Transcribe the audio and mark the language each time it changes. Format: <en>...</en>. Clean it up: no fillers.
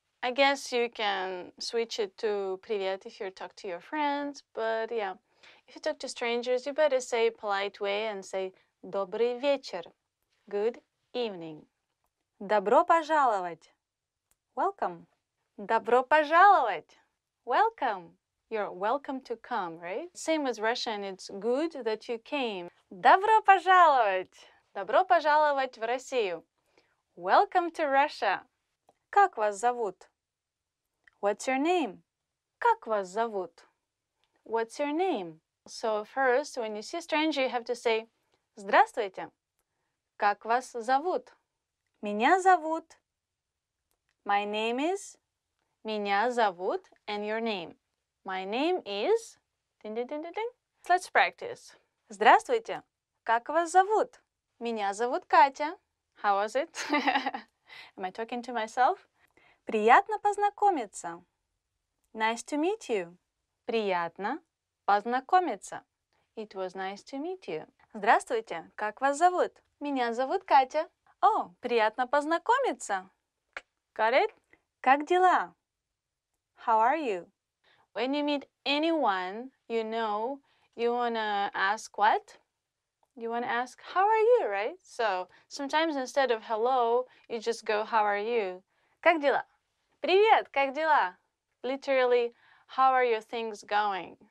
<en>I guess you can switch it to привет if you talk to your friends, but yeah, if you talk to strangers, you better say polite way and say</en> <ru>добрый вечер.</ru> <en>Good evening.</en> <ru>Добро пожаловать.</ru> <en>Welcome.</en> <ru>Добро пожаловать.</ru> <en>Welcome. You're welcome to come, right? Same as Russian, it's good that you came.</en> <ru>Добро пожаловать. Добро пожаловать в Россию.</ru> <en>Welcome to Russia.</en> <ru>Как вас зовут?</ru> <en>What's your name?</en> <ru>Как вас зовут?</ru> <en>What's your name? So first, when you see a stranger, you have to say</en> <ru>Здравствуйте. Как вас зовут? Меня зовут.</ru> <en>My name is.</en> <ru>Меня зовут.</ru> <en>And your name. My name is. Ding, ding, ding, ding, ding. Let's practice.</en> <ru>Здравствуйте. Как вас зовут? Меня зовут Катя.</ru> <en>How was it? Am I talking to myself?</en> <ru>Приятно познакомиться.</ru> <en>Nice to meet you.</en> <ru>Приятно познакомиться.</ru> <en>It was nice to meet you.</en> <ru>Здравствуйте. Как вас зовут? Меня зовут Катя. О, приятно познакомиться.</ru> <en>Got it?</en> <ru>Как дела?</ru> <en>How are you? When you meet anyone, you know, you wanna ask what? You wanna ask, how are you, right? So, sometimes instead of hello, you just go, how are you?</en> <ru>Как дела? Привет, как дела?</ru> <en>Literally, how are your things going?</en>